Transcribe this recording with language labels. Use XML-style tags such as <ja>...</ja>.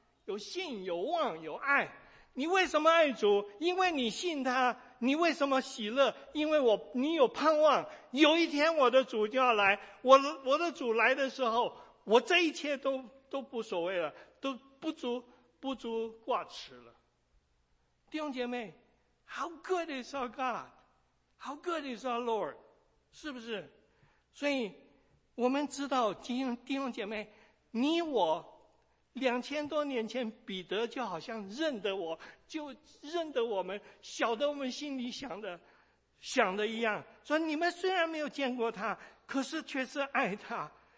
<zh>有信，有望，有爱。你为什么爱主？因为你信他。你为什么喜乐？因为你有盼望，有一天我的主就要来。我的主来的时候，我这一切都不所谓了，都不足挂齿了。弟兄姐妹，</zh> <en>How good is our God? How good is our Lord?</en> <zh>是不是？所以我们知道，今弟兄姐妹，你我2000多年前彼得就好像认得我，就认得我们，晓得我们心里想的一样，说你们虽然没有见过他，可是却是爱他。</zh>